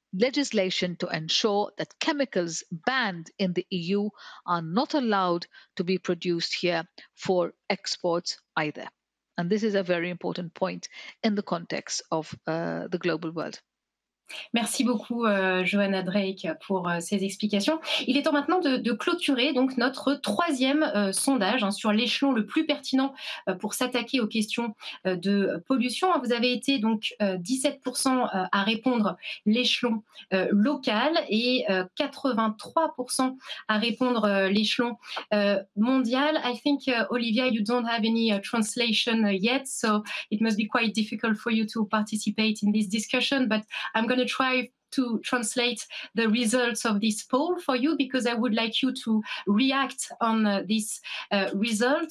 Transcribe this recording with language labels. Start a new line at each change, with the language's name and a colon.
English: legislation to ensure that chemicals banned in the EU are not allowed to be produced here for exports either. And this is a very important point in the context of the global world.
French: Merci beaucoup, Johanna Drake, pour ces explications. Il est temps maintenant de clôturer donc notre troisième sondage sur l'échelon le plus pertinent pour s'attaquer aux questions de pollution. Vous avez été donc 17% à répondre l'échelon local et 83% à répondre l'échelon mondial.
English: I think, Olivia, you don't have any translation yet, so it must be quite difficult for you to participate in this discussion, but I'm going to try to translate the results of this poll for you, because I would like you to react on this result.